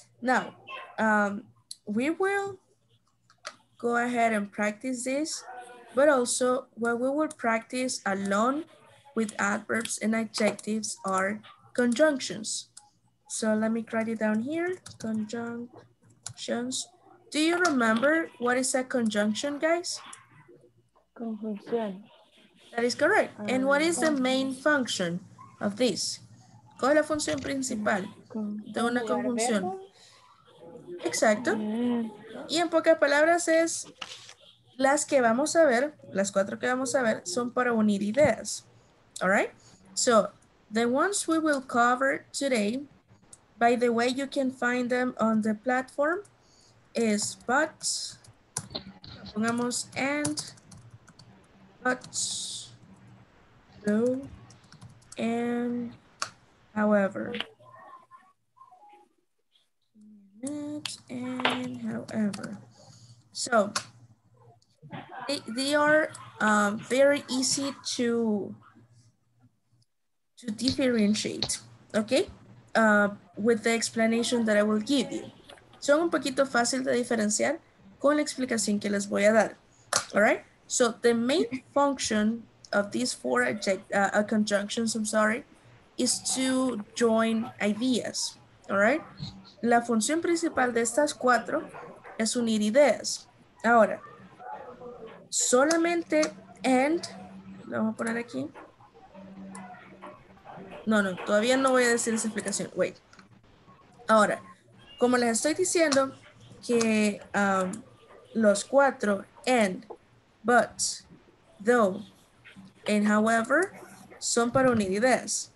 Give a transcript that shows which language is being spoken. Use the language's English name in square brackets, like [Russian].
[English] Now, we will go ahead and practice this, but also what we will practice along with adverbs and adjectives are conjunctions. So let me write it down here, conjunctions. Do you remember what is a conjunction, guys? Conjunction. That is correct. And what is the main function of this? [Spanish] ¿Cuál es la función principal de una conjunción? Exacto. Y en pocas palabras es Las que vamos a ver, las cuatro que vamos a ver, son para unir ideas. [English] All right? So, the ones we will cover today, by the way, you can find them on the platform, is but, [Spanish] pongamos [English] and, but, though, and, however. And, however. So, they are very easy to differentiate, okay? With the explanation that I will give you. [Spanish] Son un poquito fácil de diferenciar con la explicación que les voy a dar. [English] All right? So the main function of these four conjunctions, I'm sorry, is to join ideas. All right? [Spanish] La función principal de estas cuatro es unir ideas. Ahora, solamente and, lo vamos a poner aquí. No, no, todavía no voy a decir esa explicación. [English] Wait. [Spanish] Ahora, como les estoy diciendo que los cuatro, and, but, though, and however, son para unir ideas.